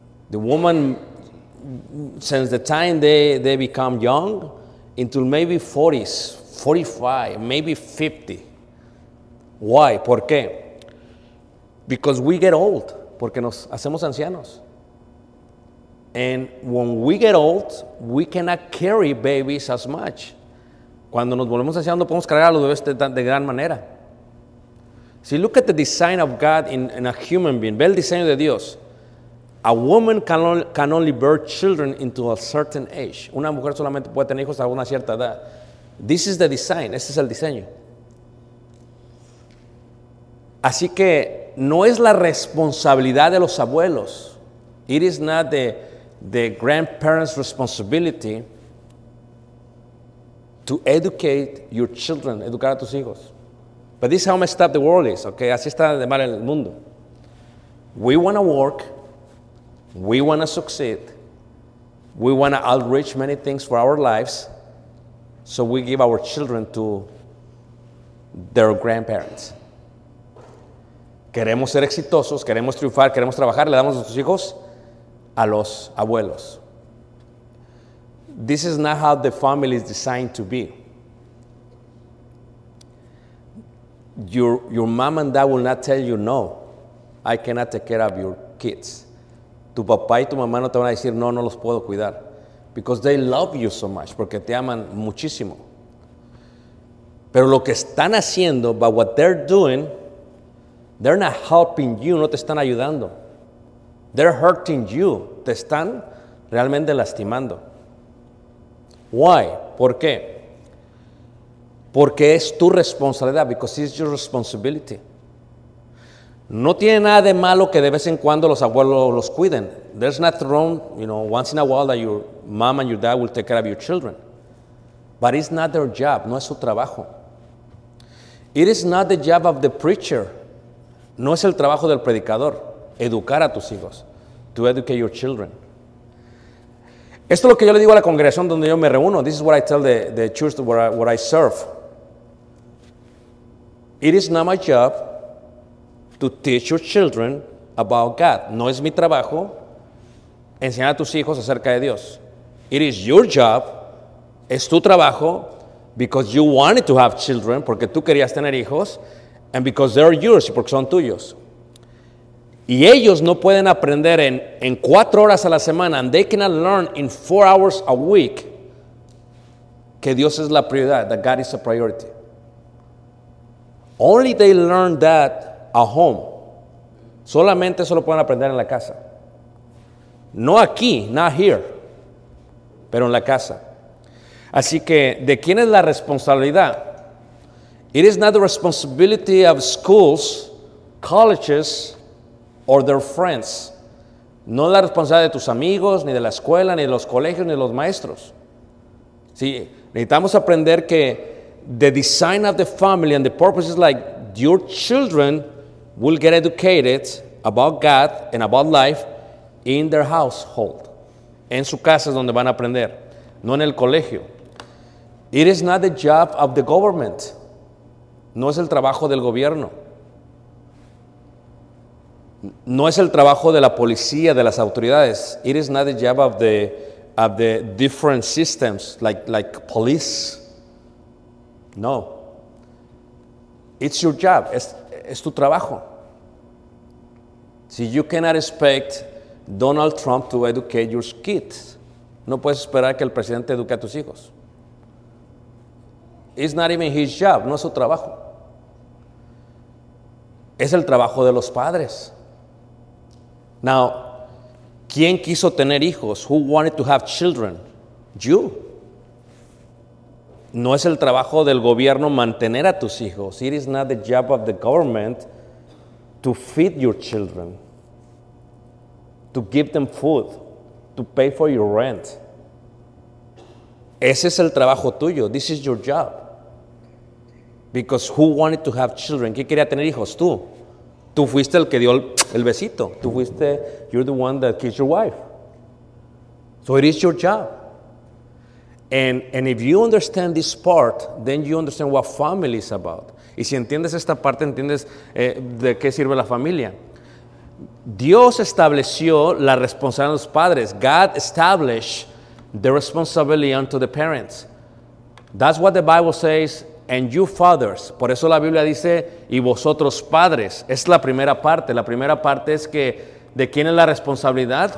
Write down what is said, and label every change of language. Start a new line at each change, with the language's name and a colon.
English: The woman, since the time they become young, until maybe 40s, 45, maybe 50. Why? ¿Por qué? Because we get old.
Spanish: Porque nos hacemos ancianos.
English: And when we get old, we cannot carry babies as much.
Spanish: Cuando nos volvemos ancianos, no podemos cargar a los bebés de gran manera.
English: See, look at the design of God in a human being.
Spanish: Ve el diseño de Dios.
English: A woman can only bear children into a certain age.
Spanish: Una mujer solamente puede tener hijos a una cierta edad.
English: This is the design.
Spanish: Este es el diseño. Así que no es la responsabilidad de los abuelos.
English: It is not the grandparents' responsibility to educate your children,
Spanish: educar a tus hijos.
English: But this is how messed up the world is, okay?
Spanish: Así está de mal el mundo.
English: We want to work. We want to succeed. We want to outreach many things for our lives. So we give our children to their grandparents.
Spanish: Queremos ser exitosos, queremos triunfar, queremos trabajar, le damos a nuestros hijos a los abuelos.
English: This is not how the family is designed to be. Your mom and dad will not tell you, no, I cannot take care of your kids.
Spanish: Tu papá y tu mamá no te van a decir, no, no los puedo cuidar.
English: Because they love you so much,
Spanish: porque te aman muchísimo. Pero lo que están haciendo,
English: but what they're doing, they're not helping you,
Spanish: no te están ayudando.
English: They're hurting you.
Spanish: Te están realmente lastimando.
English: Why?
Spanish: ¿Por qué? Porque es tu responsabilidad.
English: Because it's your responsibility.
Spanish: No tiene nada de malo que de vez en cuando los abuelos los cuiden.
English: There's nothing wrong, you know, once in a while that your mom and your dad will take care of your children. But it's not their job.
Spanish: No es su trabajo.
English: It is not the job of the preacher.
Spanish: No es el trabajo del predicador, educar a tus hijos,
English: to educate your children.
Spanish: Esto es lo que yo le digo a la congregación donde yo me reúno.
English: This is what I tell the church where I serve. It is not my job to teach your children about God.
Spanish: No es mi trabajo enseñar a tus hijos acerca de Dios.
English: It is your job,
Spanish: es tu trabajo,
English: because you wanted to have children,
Spanish: porque tú querías tener hijos,
English: and because they're yours,
Spanish: porque son tuyos. Y ellos no pueden aprender en 4 horas a la semana,
English: and they cannot learn in 4 hours a week,
Spanish: que Dios es la prioridad,
English: that God is a priority. Only they learn that at home.
Spanish: Solamente eso lo pueden aprender en la casa. No aquí,
English: not here,
Spanish: pero en la casa. Así que, ¿de quién es la responsabilidad?
English: It is not the responsibility of schools, colleges, or their friends.
Spanish: No es la responsabilidad de tus amigos, ni de la escuela, ni de los colegios, ni de los maestros. Sí, necesitamos aprender que
English: the design of the family and the purpose is like your children will get educated about God and about life in their household.
Spanish: En su casa es donde van a aprender, no en el colegio.
English: It is not the job of the government.
Spanish: No es el trabajo del gobierno. No es el trabajo de la policía, de las autoridades.
English: It is not the job of the different systems, like police. No. It's your job.
Spanish: Es tu trabajo.
English: See, you cannot expect Donald Trump to educate your kids.
Spanish: No puedes esperar que el presidente eduque a tus hijos.
English: It's not even his job.
Spanish: No es su trabajo. es el trabajo de los padres. Now, ¿quién quiso tener hijos?
English: Who wanted to have children? You.
Spanish: No es el trabajo del gobierno mantener a tus hijos.
English: It is not the job of the government to feed your children, to give them food, to pay for your rent.
Spanish: Ese es el trabajo tuyo.
English: This is your job. Because who wanted to have children?
Spanish: ¿Quién quería tener hijos? Tú. Tú fuiste el que dio el besito. Tú fuiste,
English: you're the one that kissed your wife. So it is your job. And if you understand this part, then you understand what family is about.
Spanish: Y si entiendes esta parte, entiendes de qué sirve la familia. Dios estableció la responsabilidad de los padres.
English: God established the responsibility unto the parents. That's what the Bible says, and you fathers.
Spanish: Por eso la Biblia dice, y vosotros padres. Es la primera parte. La primera parte es que, ¿de quién es la responsabilidad?